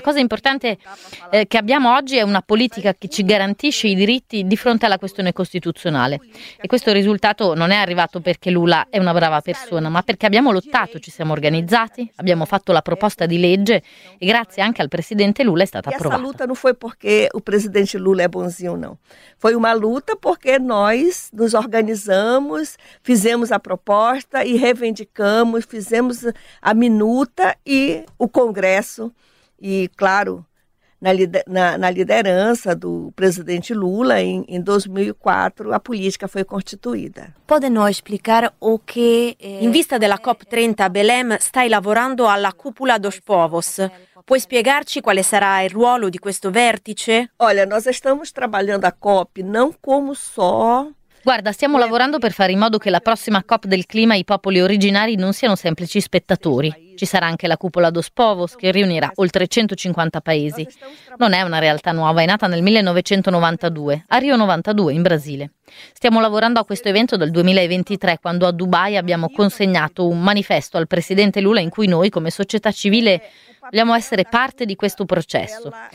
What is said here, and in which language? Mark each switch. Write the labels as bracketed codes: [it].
[it] La cosa importante che abbiamo oggi è una politica che ci garantisce i diritti di fronte alla questione costituzionale. E questo risultato non è arrivato perché Lula è una brava persona, ma perché abbiamo lottato, ci siamo organizzati, abbiamo fatto la proposta di legge e grazie anche al presidente Lula è stata approvata. Questa lotta non fu perché il presidente Lula è buonzinho, no. [pt] Foi una luta porque nós nos organizamos, fizemos a proposta e reivindicamos, fizemos a minuta e o Congresso, e claro, na liderança do presidente Lula, em 2004, a política foi constituída. Pode nos explicar o que... Em vista da COP30, Belém está elaborando a Cúpula dos Povos. [it] Puoi spiegarci quale sarà il ruolo di questo vertice? [pt] Olha, nós estamos trabalhando a COP não como só. [it] Guarda, stiamo lavorando per fare in modo che la prossima COP del clima i popoli originari non siano semplici spettatori. Ci sarà anche la Cupola dos Povos, che riunirà oltre 150 paesi. Non è una realtà nuova, è nata nel 1992, a Rio 92, in Brasile. Stiamo lavorando a questo evento dal 2023, quando a Dubai abbiamo consegnato un manifesto al presidente Lula in cui noi, come società civile, vogliamo essere parte di questo processo.